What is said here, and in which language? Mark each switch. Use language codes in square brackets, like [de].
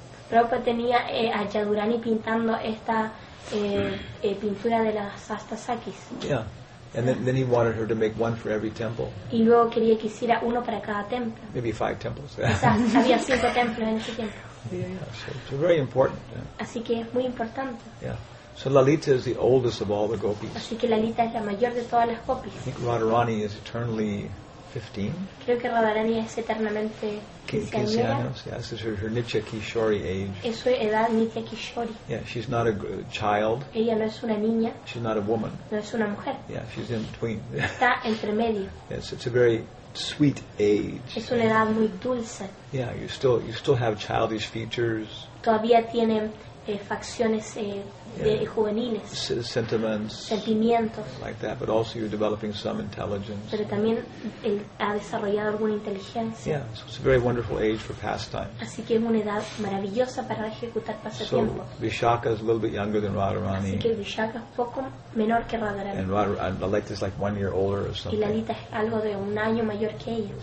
[es] Prabhupada tenía a Jadurani pintando esta pintura de las Astasakis. [en] Yeah, and then he wanted her to make one for every temple. [es] Y luego quería que hiciera uno para cada templo. [en] Maybe five temples. [es] Quizás había cinco templos en ese tiempo. [en] Yeah, so it's very important. Yeah. [es] Así que es muy importante. [en] Yeah, so Lalita is the oldest of all the gopis. [es] Así que Lalita es la mayor de todas las gopis. [en] I think Radharani is eternally 15. [es] Creo que Radharani es eternamente 15 años. [en] Yeah, this is her Nitya Kishori age. [es] Es su edad Nitya Kishori. [en] Yeah, she's not a child. [es] Ella no es una niña. [en] She's not a woman. [es] No es una mujer. [en] Yeah, she's in between. [es] Está entre medio. [en] Yes, it's a very sweet age. [es] Es una edad muy dulce. [en] Yeah, you still have childish features. [es] Todavía tiene facciones de juveniles. [en] Sentiments. [es] Sentimientos. [en] Like that, but also you're developing some intelligence. [es] Pero también ha desarrollado alguna inteligencia. [en] Yeah, so it's a very wonderful age for pastime. [es] Así que es una edad maravillosa para ejecutar pasatiempos. [en] So Vishaka is a little bit younger than Radharani. [es] Así que Vishaka es poco menor que Radharani. [en] And Lalita is like 1 year older or something. [es] Y Lalita es algo de un año mayor que ella.